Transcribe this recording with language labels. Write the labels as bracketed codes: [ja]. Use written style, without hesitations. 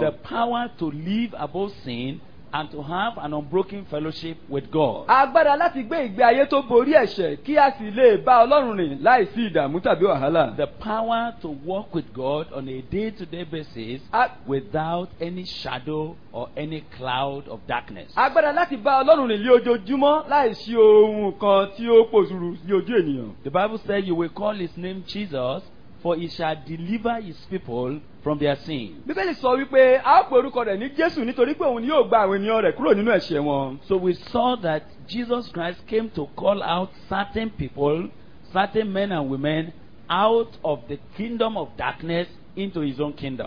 [en] The power to live above sin and to have an unbroken fellowship with God. [yo] Agbára láti gbé ìgbé ayé tó borí ẹ̀ṣẹ̀ kí a sì lè bá Ọlọ́run rìn láì sí ìdààmú tàbí wàhálà. [en] The power to walk with God on a day-to-day basis without any shadow or any cloud of darkness. [yo] Agbára láti bá Ọlọ́run rìn lójoojúmọ́ láì sí ohun kan tí ó pòṣùrù sí ojú ènìyàn. [en] The Bible says you will call his name Jesus, for he shall deliver his people from their sin. [yo] Bíbélì sọ wípé a ó pe orúkọ rẹ̀ ní Jésù nítorí pé òun ni yóò gba àwọn ènìyàn rẹ̀ kúrò nínú ẹ̀ṣẹ̀ wọn. [en] So we saw that Jesus Christ came to call out certain people, certain men and women, out of the kingdom of darkness into his own kingdom.